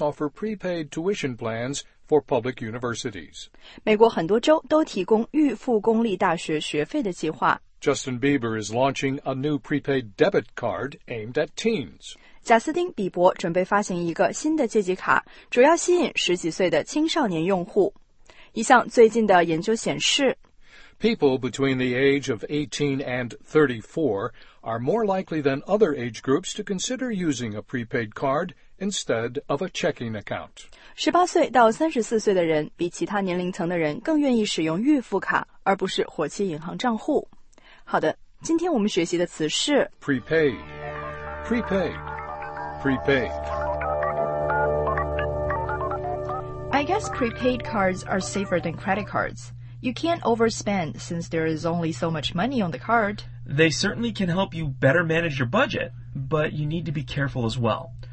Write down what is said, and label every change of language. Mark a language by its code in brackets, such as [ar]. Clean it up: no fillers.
[en] offer prepaid tuition plans for public universities. [zh] 美国很多州都提供预付公立大学学费的计划。 [en] Justin Bieber is launching a new prepaid debit card aimed at teens. [zh] 贾斯汀·比伯准备发行一个新的借记卡，主要吸引十几岁的青少年用户。一项最近的研究显示， [en] People between the age of 18 and 34 are more likely than other age groups to consider using a prepaid card instead of a checking account. [zh] 18岁到34岁的人比其他年龄层的人更愿意使用预付卡而不是活期银行账户。好的，今天我们学习的词是 [en] prepaid, prepaid, prepaid. I guess prepaid cards are safer than credit cards. You can't overspend since there is only so much money on the card. They certainly can help you better manage your budget, but you need to be careful as well.